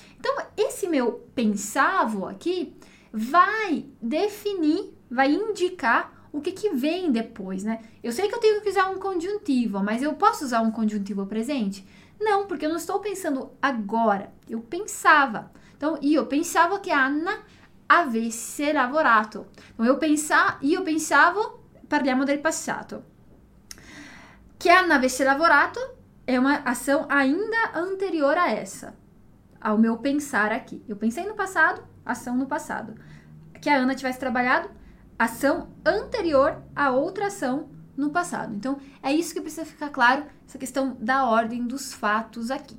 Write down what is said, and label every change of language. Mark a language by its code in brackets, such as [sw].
[pt] Então, esse meu pensavo aqui vai definir, vai indicar o que que vem depois, né? Eu sei que eu tenho que usar um conjuntivo, mas eu posso usar um conjuntivo presente? Não, porque eu não estou pensando agora. Eu pensava. Então, [it] io pensavo che Anna avesse lavorato. [pt] Então, [it] io pensavo, parliamo del passato. Che Anna avesse lavorato è [pt] uma ação ainda anterior a essa, ao meu pensar aqui. Eu pensei no passado, ação no passado. Que a Anna tivesse trabalhado, ação anterior a outra ação no passado. Então, é isso que precisa ficar claro, essa questão da ordem dos fatos aqui.